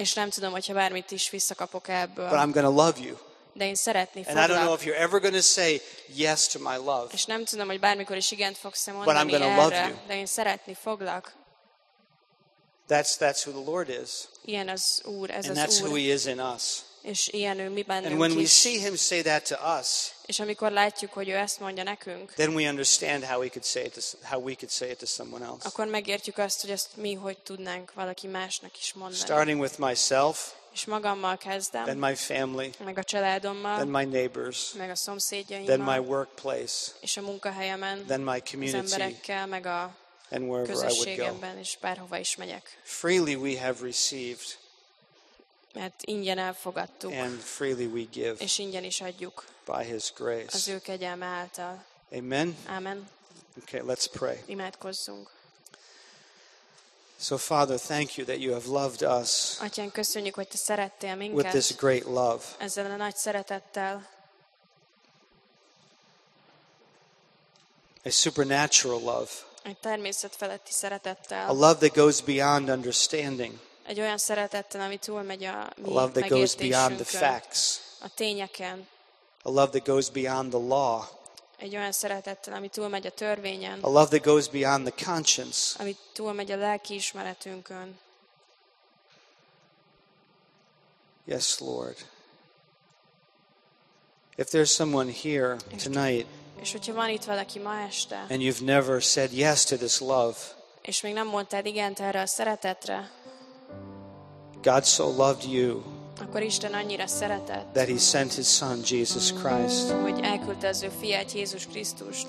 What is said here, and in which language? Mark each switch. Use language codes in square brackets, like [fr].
[hu] És nem tudom, hogyha bármit is visszakapok ebből. [en] But I'm going to love you. [hu] De én szeretni foglak. [en] And I don't know if you're ever going to say yes to my love. [hu] És nem tudom, hogy bármikor is igent fogsz-e mondani. [en] But I'm going to love you. [hu] De én szeretni foglak. [en] That's who the Lord is. [hu] Ilyen az Úr, ez az Úr. [en] And that's who he is in us. [hu] És ilyen ő mi bennünk. [en] And when we see him say that to us. [hu] És amikor látjuk, hogy ő ezt mondja nekünk. [en] Then we understand how we could say it to someone else. [hu] Akkor megértjük azt, hogy ezt mi hogy tudnánk valaki másnak is mondani. [en] Starting with myself. [hu] És magammal kezdem. [en] Then my family. [hu] Meg a családommal. [en] Then my neighbors. [hu] Meg a szomszédjaimmal. [en] Then my workplace. [hu] És a munkahelyemen. [en] Then my community. [hu] Az emberekkel, meg a [en] and wherever I would go. [hu] És bárhova is megyek. [en] Freely we have received. [hu] Mert ingyen elfogadtuk. [en] And freely we give. [hu] És ingyen is adjuk. [en] By his grace. [hu] Az ő kegyelme által. [en] Amen. [hu] Amen. [en] Okay, let's pray. [hu] Imádkozzunk. [en] So Father, thank you that you have loved us. [hu] Atyán, köszönjük, hogy te szerettél minket. [en] With this great love. [hu] Ezzel a nagy szeretettel. [en] A supernatural love. [hu] Egy természet feletti szeretettel. [en] A love that goes beyond understanding. [hu] Egy olyan szeretettel, ami túlmegy a mi megértésünkön. [en] A love that goes beyond the facts. [hu] A tényeken. [en] A love that goes beyond the law. [hu] Egy olyan szeretettel, ami túlmegy a törvényen. [en] A love that goes beyond the conscience. [hu] Ami túlmegy a lelkiismeretünkön. [en] Yes, Lord. If there's someone here tonight. [hu] És hogyha van itt valaki ma este, [en] and you've never said yes to this love, [hu] és még nem mondtad igent erre a szeretetre, [en] God so loved you, [hu] akkor Isten annyira szeretett, [en] that he sent his son Jesus Christ, [hu] hogy elküldte az ő fiát Jézus Krisztust,